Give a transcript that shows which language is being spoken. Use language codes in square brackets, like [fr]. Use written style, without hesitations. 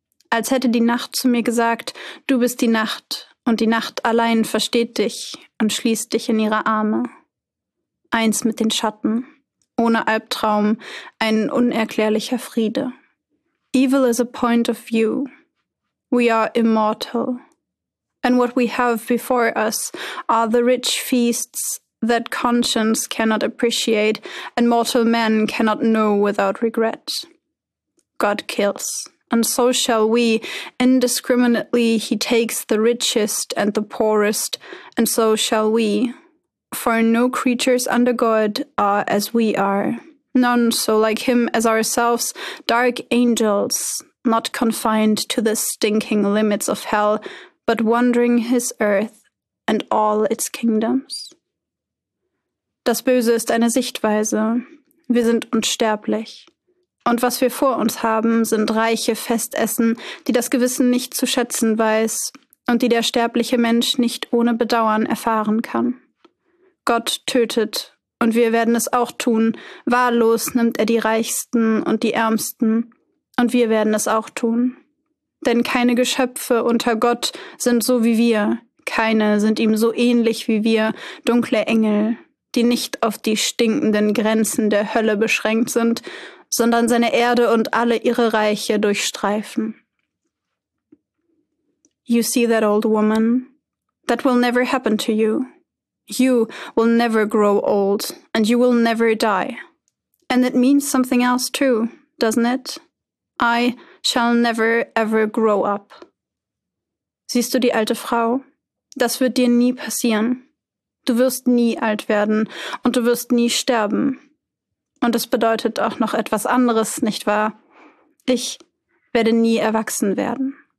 [de] Als hätte die Nacht zu mir gesagt, du bist die Nacht, und die Nacht allein versteht dich und schließt dich in ihre Arme. Eins mit den Schatten, ohne Albtraum, ein unerklärlicher Friede. [en] Evil is a point of view. We are immortal. And what we have before us are the rich feasts that conscience cannot appreciate and mortal men cannot know without regret. God kills. And so shall we, indiscriminately he takes the richest and the poorest, and so shall we. For no creatures under God are as we are, none so like him as ourselves, dark angels, not confined to the stinking limits of hell, but wandering his earth and all its kingdoms. [de] Das Böse ist eine Sichtweise. Wir sind unsterblich. Und was wir vor uns haben, sind reiche Festessen, die das Gewissen nicht zu schätzen weiß und die der sterbliche Mensch nicht ohne Bedauern erfahren kann. Gott tötet, und wir werden es auch tun. Wahllos nimmt er die Reichsten und die Ärmsten, und wir werden es auch tun. Denn keine Geschöpfe unter Gott sind so wie wir, keine sind ihm so ähnlich wie wir, dunkle Engel, die nicht auf die stinkenden Grenzen der Hölle beschränkt sind, sondern seine Erde und alle ihre Reiche durchstreifen. [en] You see that old woman? That will never happen to you. You will never grow old, and you will never die. And it means something else too, doesn't it? I shall never ever grow up. [de] Siehst du die alte Frau? Das wird dir nie passieren. Du wirst nie alt werden, und du wirst nie sterben. Und es bedeutet auch noch etwas anderes, nicht wahr? Ich werde nie erwachsen werden.